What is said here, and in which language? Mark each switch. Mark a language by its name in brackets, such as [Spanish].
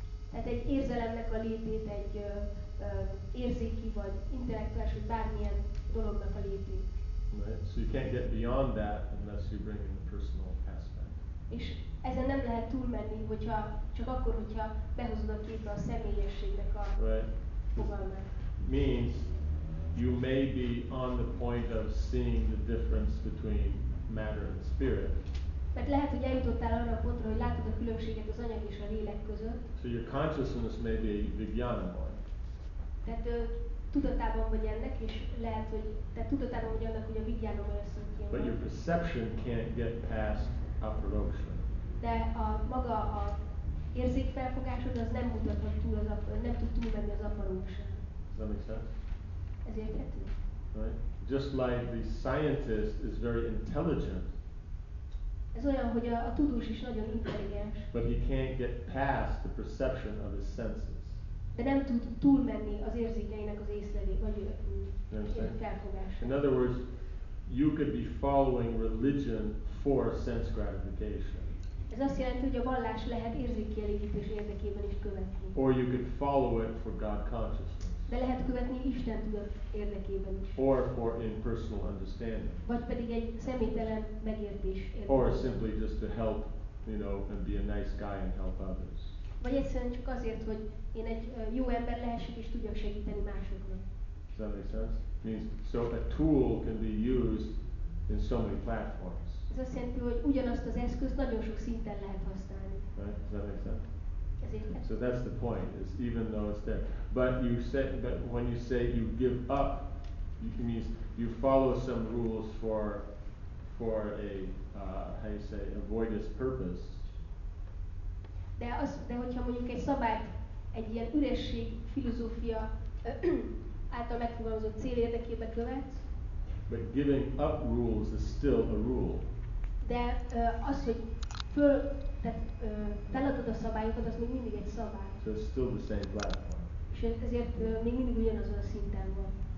[Hungarian] Tehát egy érzelemnek a létét, egy érzéki vagy intellektuális vagy bármilyen dolognak a létét. [English] Right. So you can't get beyond that unless you bring in the personal aspect. [Hungarian] És ezen nem lehet túlmenni, hogyha behozod a képbe a személyességnek a fogalmát. [English] Means you may be on the point of seeing the difference between matter and spirit. [Hungarian] Mert lehet, hogy eljutottál arra a pontra, hogy látod a különbséget az anyag és a lélek között. [English] So your consciousness may be a vijnana one. [Hungarian] Tehát tudatában vagy ennek, és lehet, hogy te tudatában vagy annak, hogy a vijnana vagy a szankhya. [English] But your perception can't get past aparoksha. [Hungarian] De a maga a érzékfelfogásod az nem mutathat túl az nem tud túlmenni az aparoksa. [English] Does that make sense? [Hungarian] Ez érthető. [English] Right? Just like the scientist is very intelligent. [Hungarian] Ez olyan, hogy a tudós is nagyon intelligens. [English] But he can't get past the perception of his senses. [Hungarian] De nem tud túlmenni az érzékeinek az észlelé, vagy felfogása. [English] In other words, you could be following religion for sense gratification. [Hungarian] Ez azt jelenti, hogy a vallás lehet érzékkielégítés érdekében is követni. [English] Or you could follow it for God consciousness. [Hungarian] De lehet követni Isten tudat érdekében is. [English] Or for impersonal understanding. [Hungarian] Vagy pedig egy személytelen megértés érdekében. [English] Or simply just to help, you know, and be a nice guy and help others. [Hungarian] Vagy egyszerűen csak azért, hogy én egy jó ember lehessek és tudjak segíteni másoknak. [English] Does that make sense? Means, so a tool can be used in so many platforms. [Hungarian] Ez azt jelenti, hogy ugyanazt az eszközt nagyon sok szinten lehet használni. [English] Right? Does that make sense? [Hungarian] Ezért. [English] So that's the point, is even though it's there. But you say, but when you say you give up, it means you follow some rules for a, how you say, avoidance purpose. [Hungarian] De az, de hogyha mondjuk egy szabályt, egy ilyen üresség filozófia által megfogalmazott cél érdekében követsz. [English] But giving up rules is still a rule. [Hungarian] De az, hogy föl, tehát feladod a szabályokat, az még mindig egy szabály. [English] So it's still the same platform. [Hungarian] És ezért még mindig ugyanazon a szinten van.